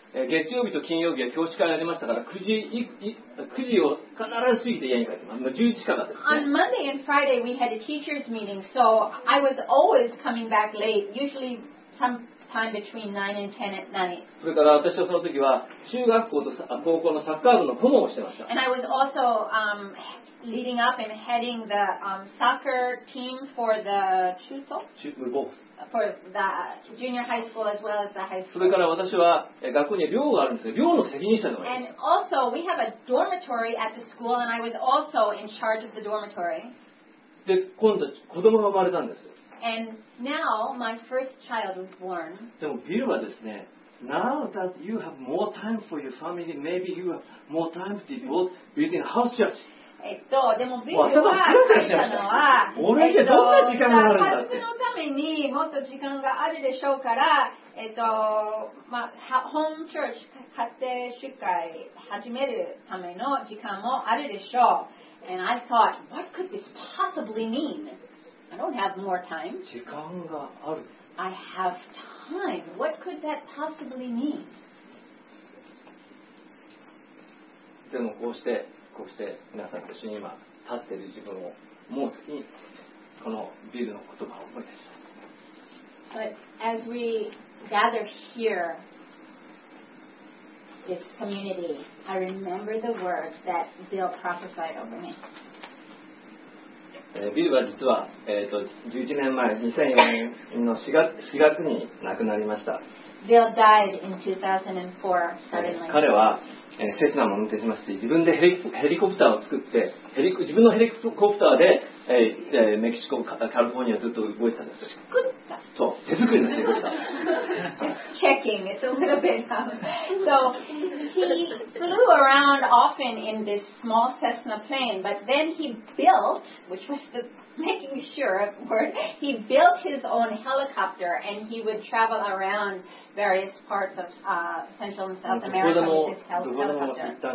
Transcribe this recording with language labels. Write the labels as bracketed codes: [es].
[en] On Monday and Friday, we had a teacher's meeting, so I was always coming back late, usually some between 9 and 10 at night. And I was also leading up and heading the soccer team for the Chuseok. for the junior high school as well as the high school. [ja] それから私は学校に寮があるんですよ。寮の責任者になります。 [en] And also we have a dormitory at the school and I was also in charge of the dormitory. [ja] で、今度子供が生まれたんですよ。 [en] And now my first child was born. [ja] でもビルはですね、 [en] Now that you have more time for your family, maybe you have more time to devote building a house church. [ja] でもビルは書いたのは、俺ってどんな時間があるんだって。家族のためにもっと時間があるでしょうから、まあ、ホームチャーチ、家庭集会始めるための時間もあるでしょう。 [en] And I thought, what could this possibly mean? I don't have more time. [ja] 時間がある。 [en] I have time. What could that possibly mean? [ja] でもこうして皆さんと一緒に今立っている自分を思うときにこのビルの言葉を思い出した。 [en] But as we gather here, this community, I remember the words that Bill prophesied over me. [ja] ビルは実は、11年前、2004年の4月に亡くなりました。 [en] Bill died in 2004, [ja] 彼は、セスナも運転しますし、自分でヘリコプターを作って、自分のヘリコプターで、メキシコ、カリフォルニアずっと動いてたんです。作った。そう、手作りのヘリコプター。 [en] Just checking, it's a little bit of... So, he flew around often in this small Cessna plane, but then he built, which was the... Making sure of course, he built his own helicopter and he would travel around various parts of Central and South America with his helicopter.